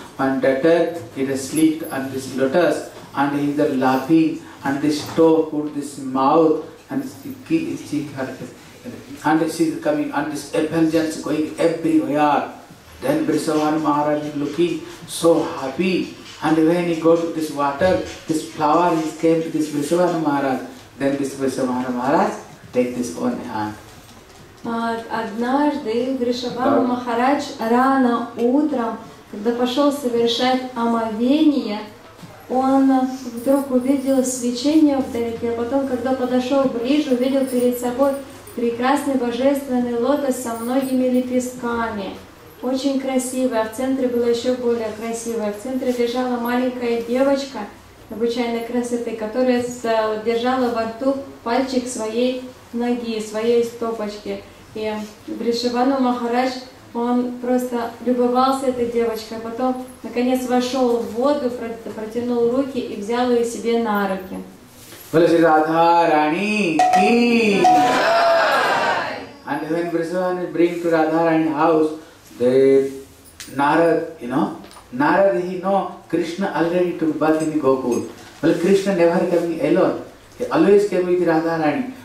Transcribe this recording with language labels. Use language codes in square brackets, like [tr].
[en] One daughter, it is sleek and this lotus, and he is the laughing, and this toe put this mouth, and she is coming, and this effulgence going everywhere. Then Brisavan Maharaj is looking so happy. And when he goes to this water, this flower is came to this Brisavan Maharaj. Then this Brisavan Maharaj take this own hand. [ru] Однажды Брисаван Махарадж рано утром, когда пошел совершать омовение, он вдруг увидел свечение вдалеке, а потом, когда подошел ближе, увидел перед собой прекрасный божественный лотос со многими лепестками. Очень красивый, а в центре было еще более красивое. В центре лежала маленькая девочка необычайной красоты, которая держала во рту пальчик своей ноги, своей стопочки. И Бришаван Махарадж, он просто любовался этой девочкой, потом, наконец, вошел в воду, протянул руки и взял ее себе на руки. [hi] Радха Рани ки! [en] And when Брисаван bring to Радха Рани house, the Narad, you know, Narad, he know Krishna already took birth in Gokul. Well, Krishna never came alone. He always came with Радха Рани.